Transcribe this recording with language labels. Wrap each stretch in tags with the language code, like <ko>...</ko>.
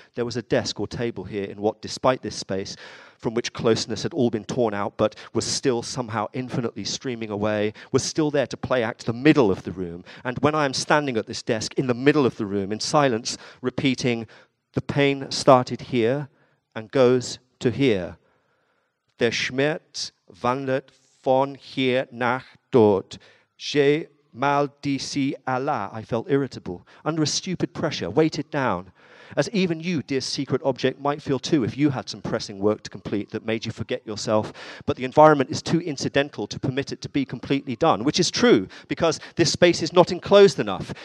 <en>There was a desk or table here in what, despite this space, from which closeness had all been torn out but was still somehow infinitely streaming away, was still there to play act the middle of the room. And when I am standing at this desk in the middle of the room in silence, repeating, the pain started here and goes to here.</en> <de>Der Schmerz wandert von hier nach dort.</de> <fr>Je mal dici Allah,</fr> <en>I felt irritable, under a stupid pressure, weighted down. As even you, dear secret object, might feel too if you had some pressing work to complete that made you forget yourself, but the environment is too incidental to permit it to be completely done, which is true, because this space is not enclosed enough.</en>